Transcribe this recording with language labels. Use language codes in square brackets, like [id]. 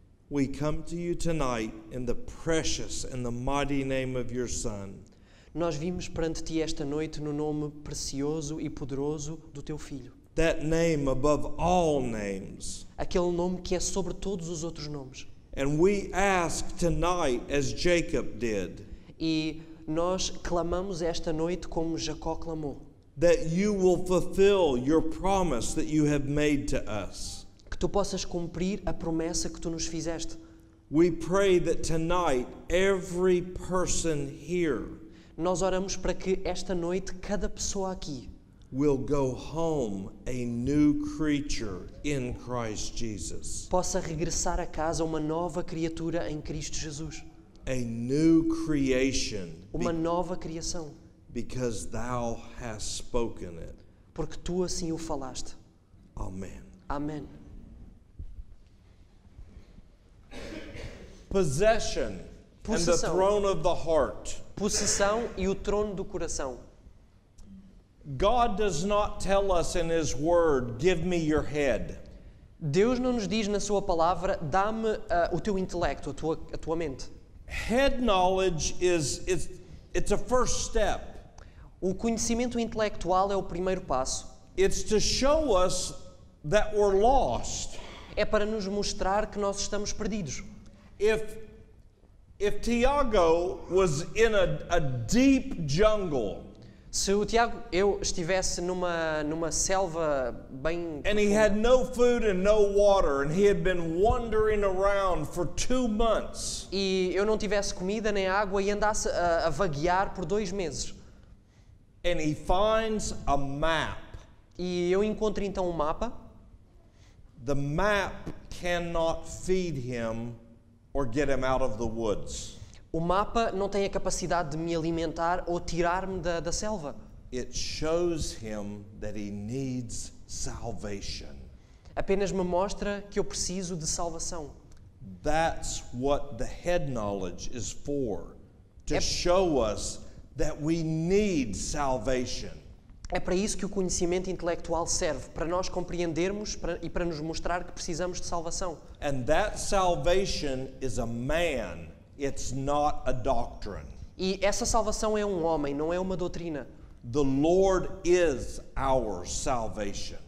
[en] we come to you tonight in the precious and the mighty name of your Son. [pt] Nós vimos perante ti esta noite no nome precioso e poderoso do teu Filho. [en] That name above all names. [pt] Aquele nome que é sobre todos os outros nomes. [en] And we ask tonight as Jacob did. [pt] E nós clamamos esta noite como Jacó clamou. [en] That you will fulfill your promise that you have made to us. [pt] Que tu possas cumprir a promessa que tu nos fizeste. [en] We pray that tonight every person here. [pt] Nós oramos para que esta noite cada pessoa aqui [en] will go home a new creature in Christ Jesus. [pt] Possa regressar a casa uma nova criatura em Cristo Jesus. [en] A new creation. [pt] Uma nova criação. [en] Because thou hast spoken it. [pt] Porque tu assim o falaste. [en] Amen. [pt] Amen. [en] Possession. [pt] Possessão. [en] And the throne of the heart. [pt] Possessão e o trono do coração. [en] God does not tell us in his word, give me your head. [pt] Deus não nos diz na sua palavra, dá-me o teu intelecto, a tua mente. [en] Head knowledge is a first step. [pt] O conhecimento intelectual é o primeiro passo. [en] It's to show us that we're lost. [pt] É para nos mostrar que nós estamos perdidos. [en] If Tiago was in a deep jungle. [pt] Se o Tiago eu estivesse numa selva bem profunda. [en] And he had no food and no water and he had been wandering around for 2 months. [pt] E eu não tivesse comida nem água e andasse a vaguear por 2 meses. [en] And he finds a map. [pt] E eu encontro então um mapa. [en] The map cannot feed him or get him out of the woods. [pt] O mapa não tem a capacidade de me alimentar ou tirar-me da selva. [en] It shows him that he needs salvation. [pt] Apenas me mostra que eu preciso de salvação. [en] That's what the head knowledge is for. To show us that we need salvation. [pt] É para isso que o conhecimento intelectual serve, para nós compreendermos e para nos mostrar que precisamos de salvação. [en] And that salvation is a man. It's not a doctrine. [pt] E essa salvação é um homem, não é uma doutrina. [en] The Lord is our salvation.